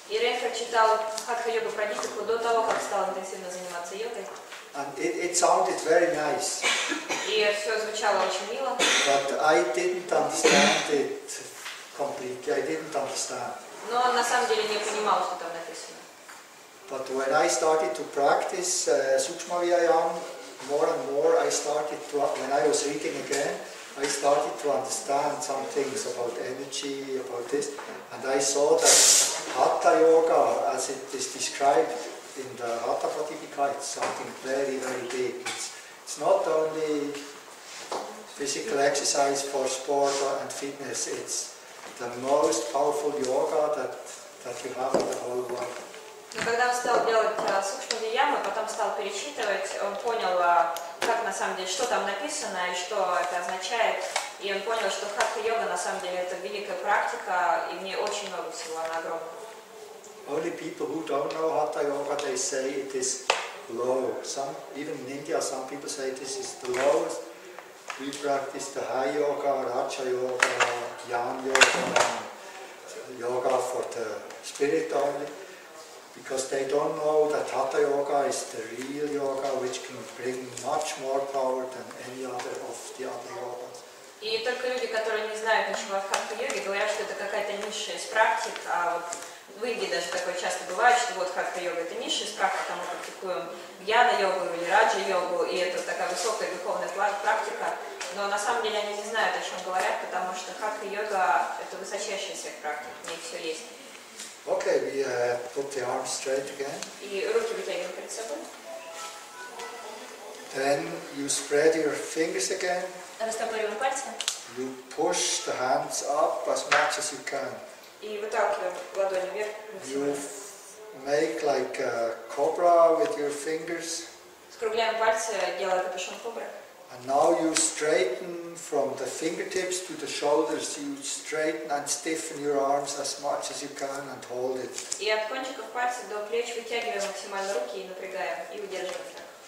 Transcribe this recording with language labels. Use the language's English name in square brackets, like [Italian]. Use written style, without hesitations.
[Russian] И Рейнхард читал Хатха-йога Пратипику до того, как стал интенсивно заниматься йогой. [English] And it sounded very nice. [Russian] И все звучало очень мило. [English] But I didn't understand it completely. I didn't understand. [Russian] Но на самом деле не понимал, что там написано. [English] But when I started to practice Sukshmavyayama more and more, when I was reading again, I started to understand some things about energy, about this, and I saw that Hatha Yoga, as it is described in the Hatha Pratipika, it's something very, very big. It's not only physical exercise for sport and fitness, it's the most powerful yoga that you have in the whole world. [Russian] Но когда он стал делать сукшмавияму, потом стал перечитывать, он понял, как на самом деле, что там написано и что это означает. И он понял, что хатха-йога на самом деле это великая практика, и в ней очень много всего, она огромна. [English] Only people who don't know Hatha Yoga, they say it is low. Even in India, some people say this is the lowest. We practice the high yoga, Raja Yoga, Jnana Yoga, yoga for the spirit only. Because they don't know that Hatha Yoga is the real yoga, which can bring much more power than any other of the other yogas. [Russian] И только люди, которые не знают ничего о хатха-йоге, говорят, что это какая-то низшая из практик. А вот в Индии даже такое часто бывает, что вот хатха-йога – это низшая из практик, а мы практикуем гьяна-йогу или раджа-йогу, и это такая высокая духовная практика. Но на самом деле они не знают, о чем говорят, потому что хатха-йога – это высочайшая из всех практик, в ней все есть. [English] Okay, we put the arms straight again. [Russian] И руки вытягиваем перед собой. [English] Then you spread your fingers again. [Russian] Растопыриваем пальцы. [English] You push the hands up as much as you can. [Russian] И выталкиваем ладони вверх. [English] You make like a cobra with your fingers. [Russian] Скругляем пальцы, делая капюшон кобры. [English] And now you straighten from the fingertips to the shoulders. You straighten and stiffen your arms as much as you can and hold it. [Russian] И от кончиков пальцев до плеч вытягиваем максимально руки и напрягаем и удерживаем так.